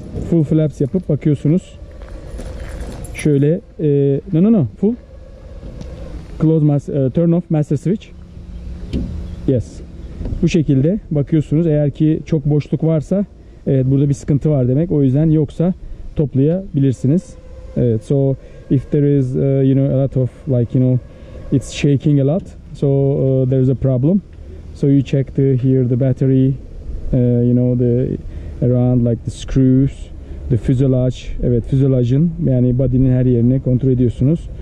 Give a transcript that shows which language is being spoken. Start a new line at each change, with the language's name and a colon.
English: Full flaps
Turkish: yapıp bakıyorsunuz. Şöyle no. Full.
English: Close master, turn off master switch. Yes.
Turkish: Bu şekilde bakıyorsunuz. Eğer ki çok boşluk varsa, evet, burada bir sıkıntı var demek. O yüzden yoksa toplayabilirsiniz. Evet.
English: So if there is you know, a lot of, like, you know, it's shaking a lot. So there is a problem. So you check the, here the battery, you know, the around, like the screws, the fuselage.
Turkish: Evet, fuselajın, yani body'nin her yerini kontrol ediyorsunuz.